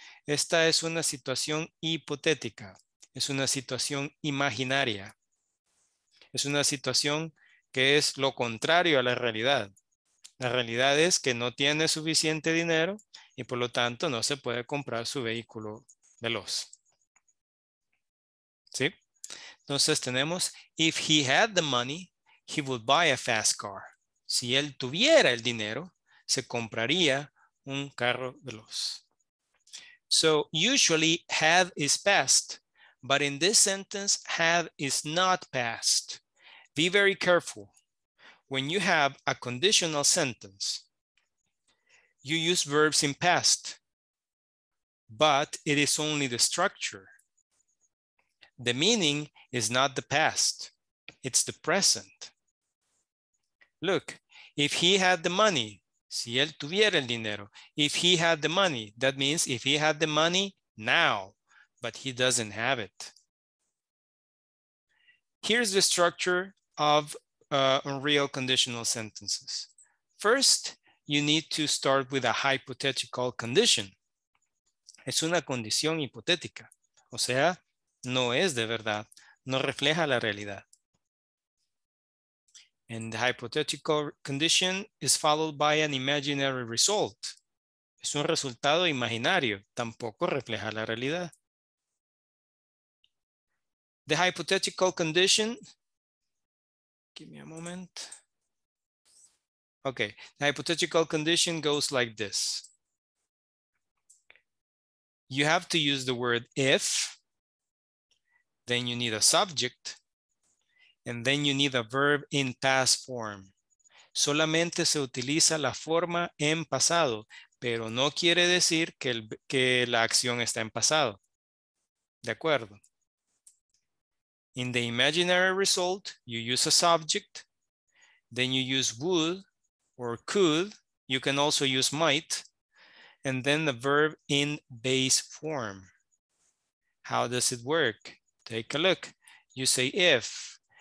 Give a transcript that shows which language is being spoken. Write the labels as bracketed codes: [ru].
[es] Esta es una situación hipotética. Es una situación imaginaria. Es una situación que es lo contrario a la realidad. La realidad es que no tiene suficiente dinero y por lo tanto no se puede comprar su vehículo veloz. ¿Sí? Entonces tenemos, [en] if he had the money, he would buy a fast car. [es] Si él tuviera el dinero, se compraría un carro veloz. [en] So, usually, have is past, but in this sentence, have is not past. Be very careful. When you have a conditional sentence, you use verbs in past, but it is only the structure. The meaning is not the past, it's the present. Look, if he had the money, [es] si él tuviera el dinero, [en] if he had the money, that means if he had the money now, but he doesn't have it. Here's the structure of unreal conditional sentences. First, you need to start with a hypothetical condition. [es] Es una condición hipotética, o sea, no es de verdad, no refleja la realidad. [en] And the hypothetical condition is followed by an imaginary result. [es] Es un resultado imaginario, tampoco refleja la realidad. [en] The hypothetical condition, give me a moment. Okay, the hypothetical condition goes like this. You have to use the word if, then you need a subject, and then you need a verb in past form. [es] Solamente se utiliza la forma en pasado, pero no quiere decir que la acción está en pasado. ¿De acuerdo? [en] In the imaginary result, you use a subject, then you use would or could, you can also use might, and then the verb in base form. How does it work? Take a look. You say if.